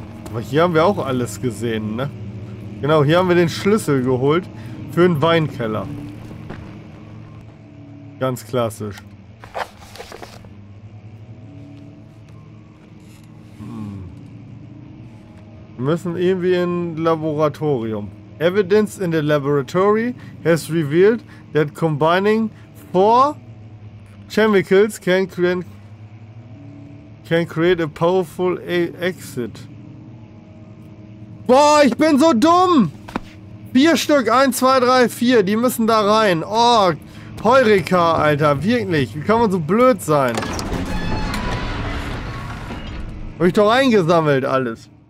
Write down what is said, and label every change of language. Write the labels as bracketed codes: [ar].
[de] Aber hier haben wir auch alles gesehen, ne? Genau, hier haben wir den Schlüssel geholt für einen Weinkeller. Ganz klassisch. Wir müssen irgendwie in Laboratorium. [en] Evidence in the laboratory has revealed that combining 4 chemicals can create a powerful exit. [de] Boah, ich bin so dumm! 4 Stück, 1, 2, 3, 4, die müssen da rein. Oh, Heureka, Alter, wirklich. Wie kann man so blöd sein? Hab ich doch eingesammelt alles.